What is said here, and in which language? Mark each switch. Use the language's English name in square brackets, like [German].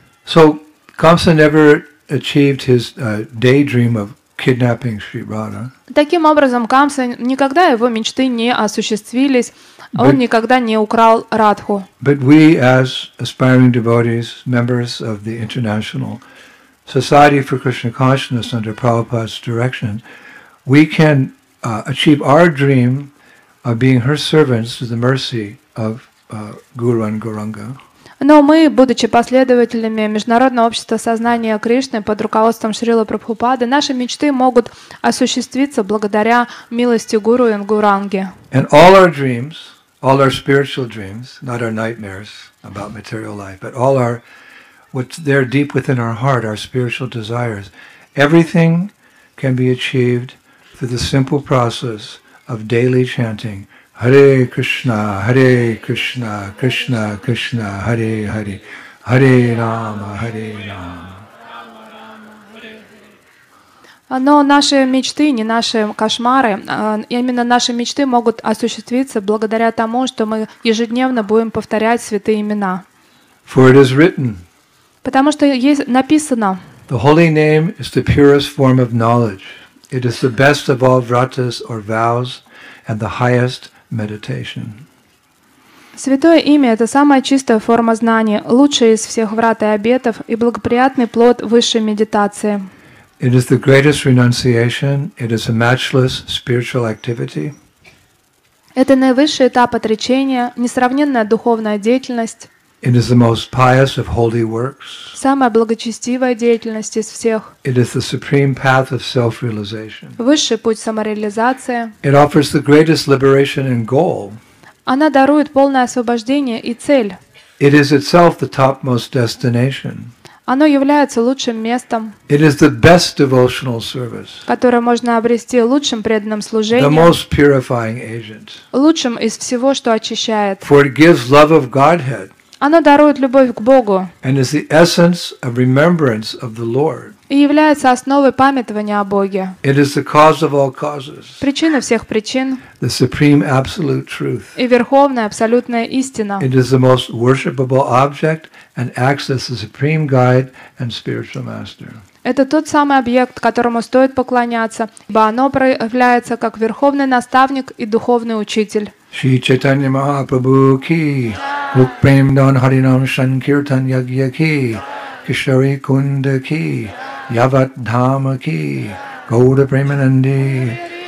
[English] So Kamsa never achieved his daydream of kidnapping Sri Radha. [Russian] Таким образом, Камса никогда его мечты не осуществились. Он никогда не украл Радху. [English] But we, as aspiring devotees, members of the International Society for Krishna Consciousness under Prabhupada's direction, we can achieve our dream of being her servants through the mercy of Guru and Gauranga. [Russian] Но мы, будучи последователями Международного общества сознания Кришны под руководством Шрилы Прабхупады, наши мечты могут осуществиться благодаря милости Гуру и Гуранги. [English] And all our dreams, all our spiritual dreams, not our nightmares about material life, but all our, what's there deep within our heart, our spiritual desires, everything can be achieved through the simple process of daily chanting. [Sanskrit] Hare Krishna, Krishna, Krishna, Hare Hare, Hare Rama, Hare Rama. [Russian] Но наши мечты, не наши кошмары, именно наши мечты могут осуществиться благодаря тому, что мы ежедневно будем повторять святые имена. [English] For it is written. [Russian] Потому что есть написано. [English] The holy name is the purest form of knowledge. It is the best of all vratas or vows and the highest meditation. [Russian] Святое имя — это самая чистая форма знания, лучшая из всех врат и обетов и благоприятный плод высшей медитации. [English] It is the greatest renunciation. It is a matchless spiritual activity. [Russian] Это наивысший этап отречения, несравненная духовная деятельность. [English] It is the most pious of holy works. [Russian] Самая благочестивая деятельность из всех. [English] It is the supreme path of self-realization. [Russian] Высший путь самореализации. [English] It offers the greatest liberation and goal. [Russian] Она дарует полное освобождение и цель. [English] It is itself the topmost destination. [Russian] Оно является лучшим местом. [English] It is the best devotional service. [Russian] Которое можно обрести лучшим преданным служением. [English] The most purifying agent. [Russian] Лучшим из всего, что очищает. [English] For it gives love of Godhead. [Russian] Оно дарует любовь к Богу. [English] And is the essence of remembrance of the Lord. [Russian] и является основой памятования о Боге. [English] It is the cause of all causes. [Russian] Причина всех причин. [English] The supreme absolute truth. [Russian] И верховная абсолютная истина. [English] It is the most worshipable object and acts as the supreme guide and spiritual master. [Russian] Это тот самый объект, которому стоит поклоняться, ибо оно проявляется как верховный наставник и духовный учитель. [Sanskrit] Шри Чайтанья Махапрабху ки, Рук Прем Дон Харинам Санкиртан Ягья ки, Кишори Кунда ки, Яват Дхама ки, Гоуда Преманандхи.